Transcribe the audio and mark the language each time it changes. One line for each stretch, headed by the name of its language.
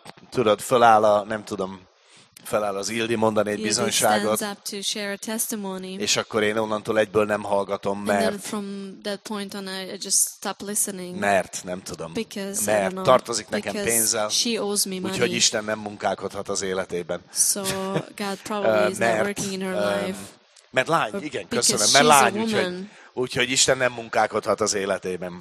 Hungarian: Tudod, feláll a, nem tudom, feláll az Ildi mondani egy bizonyságot,
English: stands up to share a testimony,
Hungarian: és akkor én onnantól egyből nem hallgatom, mert.
English: And then from that point on, I just stop listening.
Hungarian: Mert, nem tudom.
English: Because,
Hungarian: mert
English: know,
Hungarian: tartozik nekem pénzzel,
English: she owes me money.
Hungarian: Úgyhogy Isten nem munkálkodhat az életében.
English: So God probably is not working in her life.
Hungarian: Mert lány, igen, köszönöm, mert lány, úgyhogy Isten nem munkálkodhat az életében.